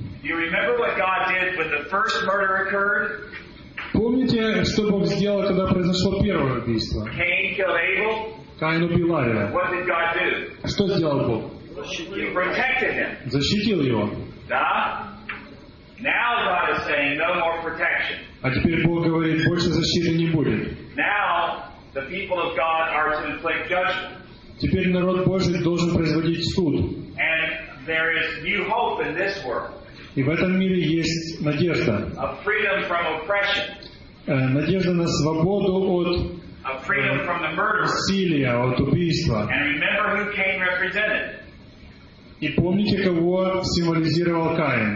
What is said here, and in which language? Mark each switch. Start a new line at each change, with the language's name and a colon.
English: You remember what God did when the first murder occurred?
Russian: Помните, что Бог сделал, когда произошло первое убийство?
English: Cain killed Abel.
Russian: Каин убил Авеля.
English: What did God do?
Russian: Что сделал Бог?
English: He protected him.
Russian: Защитил его. Да?
English: Now God is saying no more protection.
Russian: А теперь Бог говорит, больше защиты не будет.
English: Now the people of God are to inflict judgment.
Russian: Теперь народ Божий должен производить суд.
English: And there is new hope in this world.
Russian: И в этом мире есть надежда.
English: A freedom from oppression.
Russian: Надежда на свободу от
English: A freedom from the murderer.
Russian: Насилия, от убийства.
English: And remember who Cain represented.
Russian: И помните, кого символизировал Каин?